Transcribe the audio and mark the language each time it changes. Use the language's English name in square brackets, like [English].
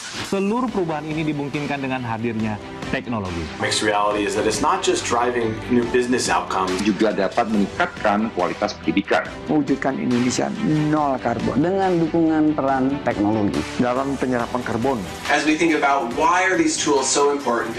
[Indonesian] Seluruh perubahan ini dimungkinkan dengan hadirnya [English] technology. Mixed reality is that it's not just driving new business outcomes. [Indonesian] Juga dapat meningkatkan kualitas pendidikan. Mewujudkan Indonesia nol karbon dengan dukungan peran teknologi dalam penyerapan karbon. [English] As we think about why are these tools so important?